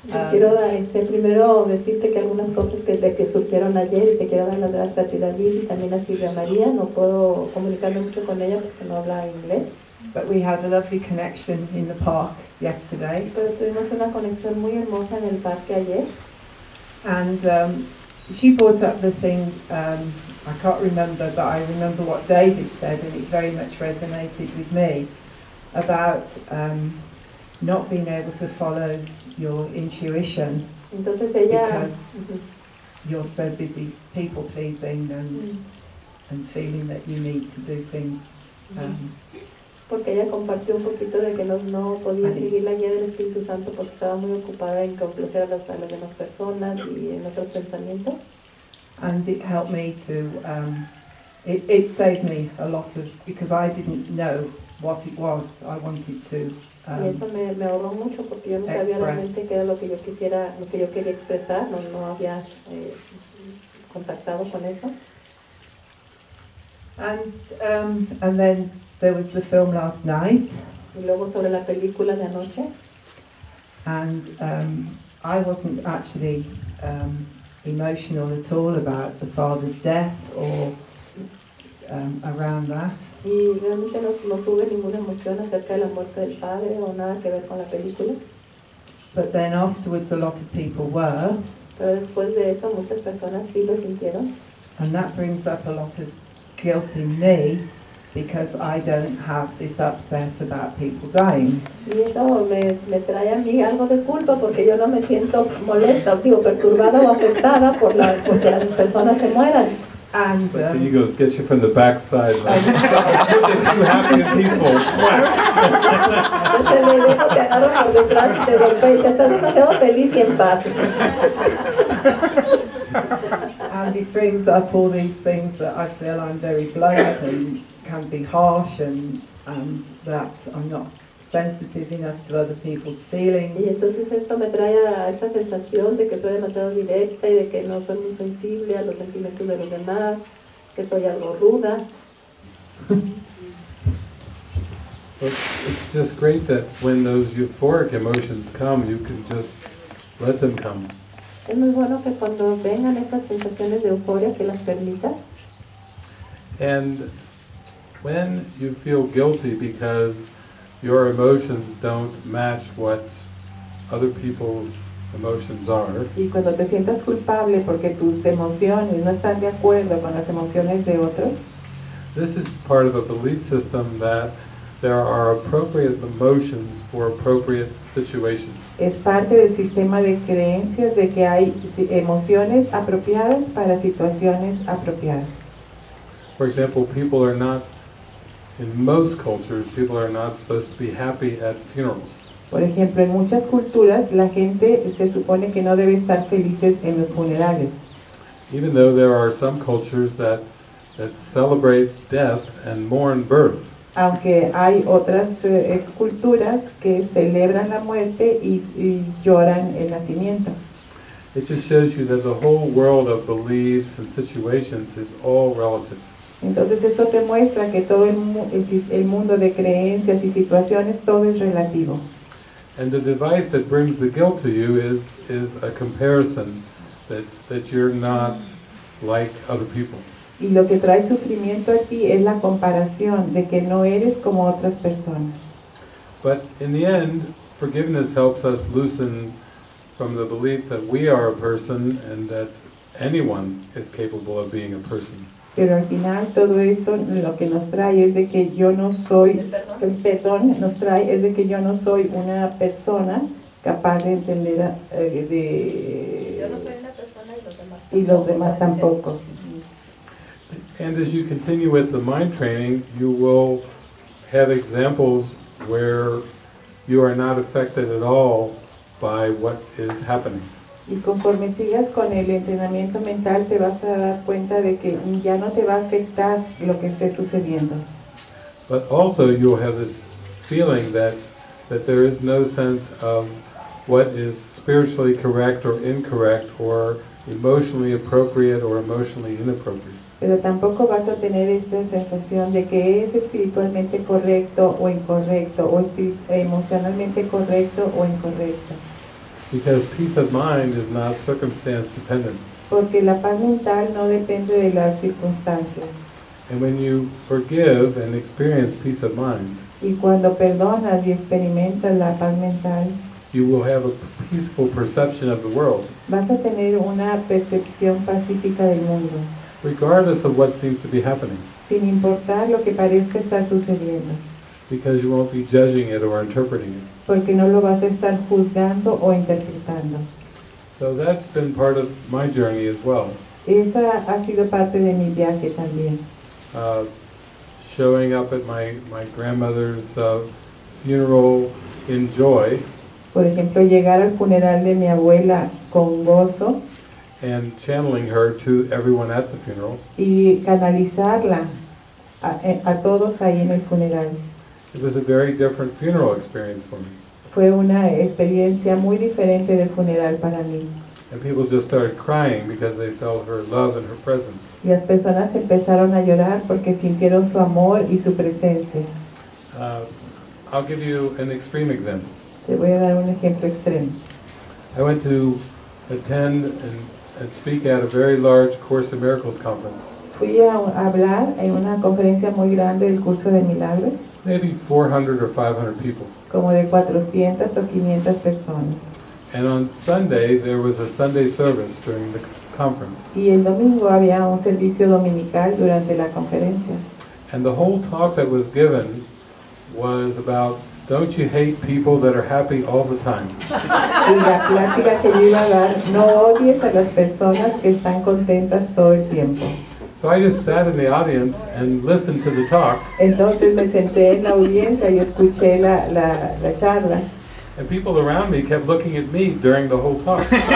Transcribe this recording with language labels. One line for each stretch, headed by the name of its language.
Spanish: Quiero darte primero decirte que algunas cosas que supieron ayer y te quiero dar las gracias a ti, David, y también a Silvia María. No puedo comunicarme mucho con ella porque no habla inglés.
English: But we had a lovely connection in the park yesterday.
Spanish: Pero tuvimos una conexión muy hermosa en el parque ayer.
English: And she brought up the thing, I can't remember, but I remember what David said, and it very much resonated with me, about not being able to follow your intuition.
Spanish: Entonces ella...
English: Because you're so busy people-pleasing and feeling that you need to do things.
Spanish: Porque ella compartió un poquito de que no podía seguir la guía del Espíritu Santo porque estaba muy ocupada en complacer a las demás personas y en otros pensamientos.
English: And it helped me to, it saved me a lot of, because I didn't know what it was I wanted to
Spanish: Y eso me ahorró mucho porque yo no sabía realmente qué era lo que yo quisiera, lo que yo quería expresar, no había contactado con eso.
English: And then there was the film last night.
Spanish: Y luego sobre la película de anoche.
English: And I wasn't actually emotional at all about the father's death or around that.
Spanish: Y realmente no tuve ninguna emoción acerca de la muerte del padre o nada que ver con la película.
English: But then afterwards a lot of people were.
Spanish: Pero después de eso muchas personas sí lo sintieron.
English: And that brings up a lot of guilt in me, because I don't have this upset about people dying.
Spanish: Y eso me trae a mí algo de culpa porque yo no me siento molesta, digo, perturbada o afectada por la porque las personas se mueran.
English: And the ego gets you from the backside. Like, you're too happy and peaceful.
Spanish: Se le dijo que agarró por detrás y te golpea y dice, estás demasiado feliz y en paz.
English: And it brings up all these things that I feel I'm very blunt and can be harsh and that I'm not sensitive enough to other people's feelings.
Spanish: Y entonces esto me trae a esta sensación de que soy demasiado directa y de que no soy muy sensible a los sentimientos de los demás, que soy algo ruda.
English: Well, it's just great that when those euphoric emotions come, you can just let them come.
Spanish: Es muy bueno que cuando vengan estas sensaciones de euforia que las permitas.
English: And when you feel guilty because your emotions don't match what other people's emotions are.
Spanish: Y cuando te sientas culpable porque tus emociones no están de acuerdo con las emociones de otros.
English: This is part of a belief system that there are appropriate emotions for appropriate situations.
Spanish: Es parte del sistema de creencias de que hay emociones apropiadas para situaciones apropiadas.
English: For example, people are not In most cultures, people are not supposed to be happy at funerals.
Spanish: Por ejemplo, en muchas culturas, la gente se supone que no debe estar felices en los funerales.
English: Even though there are some cultures that celebrate death and mourn birth.
Spanish: Aunque hay otras culturas que celebran la muerte y lloran el nacimiento.
English: It just shows you that the whole world of beliefs and situations is all relative.
Spanish: Entonces eso te muestra que todo el mundo de creencias y situaciones, todo es relativo.
English: And the device that brings the guilt to you is a comparison that you're not like other people.
Spanish: Y lo que trae sufrimiento a ti es la comparación de que no eres como otras personas.
English: But in the end, forgiveness helps us loosen from the belief that we are a person and that anyone is capable of being a person.
Spanish: Pero al final todo eso lo que nos trae es de que yo no soy, el perdón nos trae es de que yo no soy una persona capaz de entender de yo no soy una persona y los demás tampoco.
English: And as you continue with the mind training, you will have examples where you are not affected at all by what is happening.
Spanish: Y conforme sigas con el entrenamiento mental, te vas a dar cuenta de que ya no te va a afectar lo que esté sucediendo.
English: But also you will have this feeling that there is no sense of what is spiritually correct or incorrect or emotionally appropriate or emotionally inappropriate.
Spanish: Pero tampoco vas a tener esta sensación de que es espiritualmente correcto o incorrecto, o emocionalmente correcto o incorrecto.
English: Because peace of mind is not circumstance dependent.
Spanish: Porque la paz mental no depende de las circunstancias.
English: And when you forgive and experience peace of mind,
Spanish: y cuando perdonas y experimentas la paz mental,
English: you will have a peaceful perception of the world.
Spanish: Vas a tener una percepción pacífica del mundo.
English: Regardless of what seems to be happening.
Spanish: Sin importar lo que parezca estar sucediendo.
English: Because you won't be judging it or interpreting it.
Spanish: Porque no lo vas a estar juzgando o interpretando.
English: So that's been part of my journey as well.
Spanish: Esa ha sido parte de mi viaje también.
English: Showing up at my grandmother's funeral in joy.
Spanish: Por ejemplo, llegar al funeral de mi abuela con gozo.
English: And channeling her to everyone at the funeral.
Spanish: Y canalizarla a todos ahí en el funeral.
English: It was a very different funeral experience for me.
Spanish: Fue una experiencia muy diferente del funeral para mí.
English: And people just started crying because they felt her love and her presence.
Spanish: Y las personas empezaron a llorar porque sintieron su amor y su presencia.
English: I'll give you an extreme example.
Spanish: Te voy a dar un ejemplo extremo.
English: I went to attend and speak at a very large Course in Miracles conference.
Spanish: Fui a hablar en una conferencia muy grande del Curso de Milagros.
English: Maybe 400 or 500 people.
Spanish: Como de 400 o 500 personas.
English: And on Sunday there was a Sunday service during the conference.
Spanish: Y el domingo había un servicio dominical durante la conferencia.
English: And the whole talk that was given was about, don't you hate people that are happy all the time?
Spanish: Y la plática que yo iba a dar, no odies a las personas que están contentas todo el tiempo.
English: So I just sat in the audience and listened to the talk.
Spanish: Entonces me senté en la audiencia y escuché la charla.
English: And people around me kept looking at me during the whole talk.